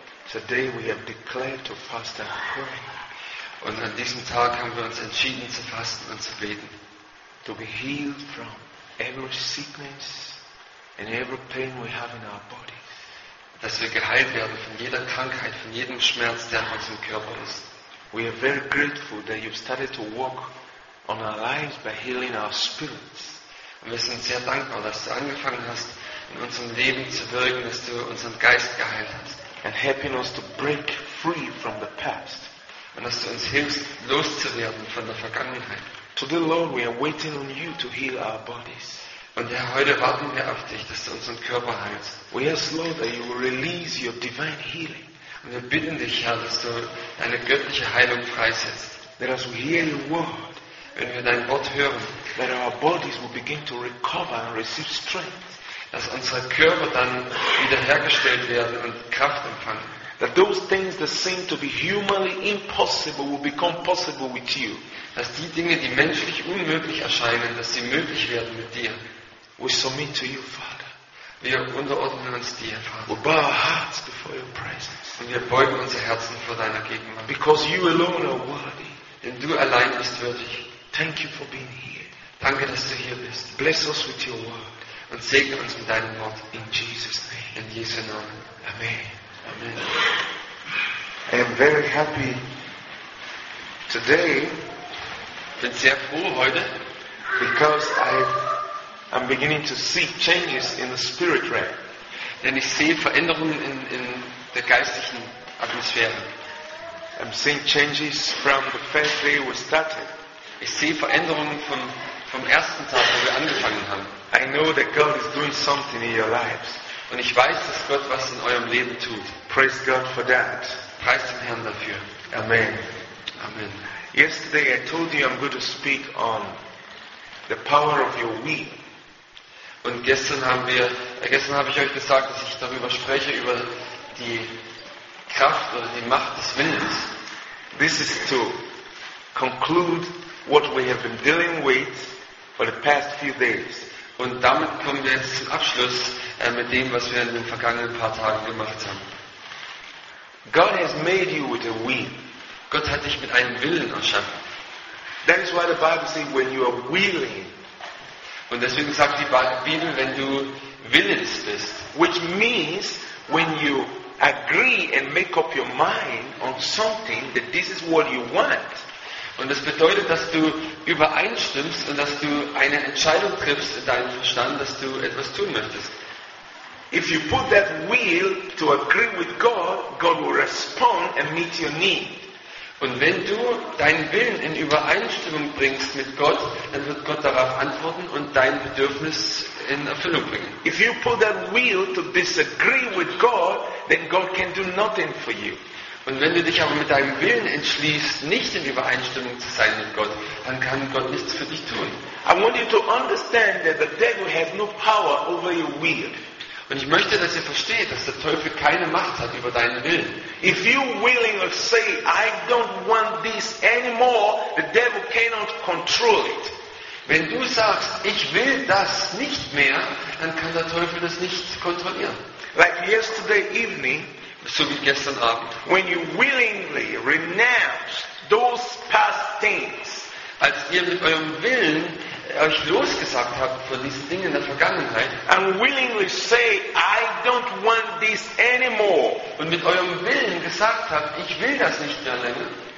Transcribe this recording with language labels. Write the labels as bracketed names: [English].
[English] Today we have declared to fast and pray. [German] Und an diesem Tag haben wir uns entschieden zu fasten und zu beten. [English] To be healed from every sickness and every pain we have in our bodies. [German] Dass wir geheilt werden von jeder Krankheit, von jedem Schmerz, der in unserem Körper ist. [English] We are very grateful that you've started to work on our lives by healing our spirits. [German] Und wir sind sehr dankbar, dass du angefangen hast, in unserem Leben zu wirken, dass du unseren Geist geheilt hast. [English] And helping us to break free from the past. [German] Und dass du uns hilfst, loszuwerden von der Vergangenheit. [English] Today, Lord, we are waiting on you to heal our bodies. [German] Und Herr, heute warten wir auf dich, dass du unseren Körper heilst. [English] We ask, Lord, that you will release your divine healing. [German] Und wir bitten dich, Herr, dass du deine göttliche Heilung freisetzt. [English] That as we hear your word, [German] wenn wir dein Wort hören, [English] that our bodies will begin to recover and receive strength. [German] Dass unsere Körper dann wiederhergestellt werden und Kraft empfangen. [English] That those things that seem to be humanly impossible will become possible with you. [German] Dass die Dinge, die menschlich unmöglich erscheinen, dass sie möglich werden mit dir. [English] We submit to you, Father. [German] Wir unterordnen uns dir, Vater. [English] We bow our hearts before your presence. [German] Und wir beugen unsere Herzen vor deiner Gegenwart. [English] Because you alone are worthy. [German] Denn du allein bist würdig. [English] Thank you for being here. [German] Danke, dass du hier bist. [English] Bless us with your word. [German] Und segne uns mit deinem Wort. [English] In Jesus' name. [German] In Jesu Namen. [English] Amen. [German] Amen. [English] I am very happy today. [German] Bin sehr froh heute. [English] Because I'm beginning to see changes in the spirit realm. [German] Denn ich sehe Veränderungen in der geistlichen Atmosphäre. [English] I'm seeing changes from the first day we started. [German] Ich sehe Veränderungen vom ersten Tag, wo wir angefangen haben. [English] I know that God is doing something in your lives. [German] Und ich weiß, dass Gott was in eurem Leben tut. [English] Praise God for that. [German] Preist den Herrn dafür. [English] Amen. [German] Amen. [English] Yesterday I told you I'm going to speak on the power of your we. [German] Und gestern habe ich euch gesagt, dass ich darüber spreche, über die Kraft oder die Macht des Willens. [English] This is to conclude what we have been dealing with for the past few days. [German] Und damit kommen wir jetzt zum Abschluss mit dem, was wir in den vergangenen paar Tagen gemacht haben. [English] God has made you with a will. [German] Gott hat dich mit einem Willen erschaffen. [English] That is why the Bible says when you are willing. [German] Und deswegen sagt die Bibel, wenn du willens bist, [English] which means when you agree and make up your mind on something that this is what you want. [German] Und das bedeutet, dass du übereinstimmst und dass du eine Entscheidung triffst in deinem Verstand, dass du etwas tun möchtest. [English] If you put that will to agree with God, God will respond and meet your need. [German] Und wenn du deinen Willen in Übereinstimmung bringst mit Gott, dann wird Gott darauf antworten und dein Bedürfnis in Erfüllung bringen. [English] If you put that will to disagree with God, then God can do nothing for you. [German] Und wenn du dich aber mit deinem Willen entschließt, nicht in Übereinstimmung zu sein mit Gott, dann kann Gott nichts für dich tun. [English] I want you to understand that the devil has no power over your will. [German] Und ich möchte, dass ihr versteht, dass der Teufel keine Macht hat über deinen Willen. [English] If you willingly say, I don't want this anymore, the devil cannot control it. [German] Wenn du sagst, ich will das nicht mehr, dann kann der Teufel das nicht kontrollieren. [English] Like yesterday evening, [German] so wie gestern Abend, [English] when you willingly renounce those past things, [German] als ihr mit eurem Willen euch losgesagt habt von diesen Dingen in der Vergangenheit, [English] and willingly say, I don't want this anymore, [German] und mit eurem Willen gesagt habt, ich will das nicht mehr länger,